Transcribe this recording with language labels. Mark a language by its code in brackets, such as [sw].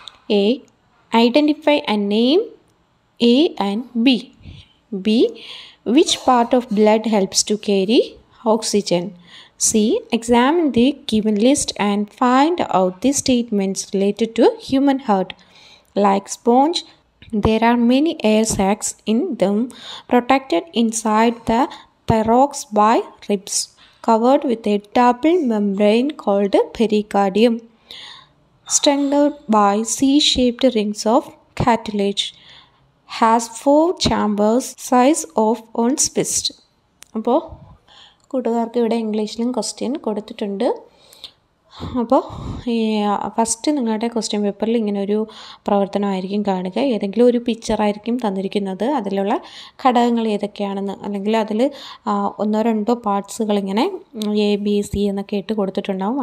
[en] A, identify a name a and b. B, which part of blood helps to carry oxygen. C, examine the given list and find out the statements related to human heart. Like sponge, there are many air sacs in them, protected inside the thorax by ribs, covered with a double membrane called pericardium, strengthened by C-shaped rings of cartilage, has 4 chambers size of one's fist. [ml] അപ്പോൾ കൂട്ടുകാർക്ക് ഇവിടെ ഇംഗ്ലീഷിലും question കൊടുത്തിട്ടുണ്ട്. അപ്പോൾ first നിങ്ങളുടെ question പേപ്പറിൽ ഇങ്ങനെ ഒരു പ്രവർത്തനമായിരിക്കും കാണുക. ഏതെങ്കിലും ഒരു പിക്ചറായിരിക്കും തന്നിരിക്കുന്നത്. അതിലുള്ള ഘടകങ്ങൾ ഏതൊക്കെയാണെന്ന്, അല്ലെങ്കിൽ അതിൽ 1-2 പാർട്സുകൾ ഇങ്ങനെ എ ബി സി എന്നൊക്കെ ഇട്ട് കൊടുത്തിട്ടുണ്ടാവും.